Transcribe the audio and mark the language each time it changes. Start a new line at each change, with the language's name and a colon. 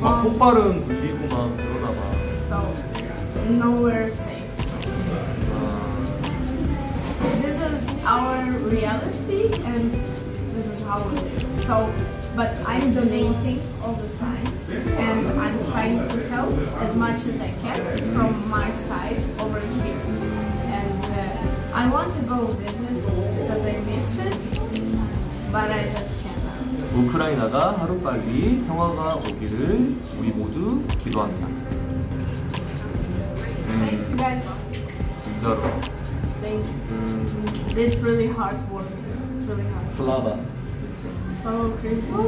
Korean: 폭발은 들리고 막 그러나 봐.
English: So, nowhere safe. This is our reality, and this is how we live. So, but I'm donating all the time. And I'm trying to help as much as I can from my side over here. And I want to go visit because I miss it, but I just cannot.
Korean: 우크라이나가 하루빨리 평화가 오기를 우리 모두 기도합니다.
English: Thank you guys.
Korean: 진짜로.
English: Thank you. It's really hard work. It's really hard.
Ukrainian: Slava. Slava Ukraine.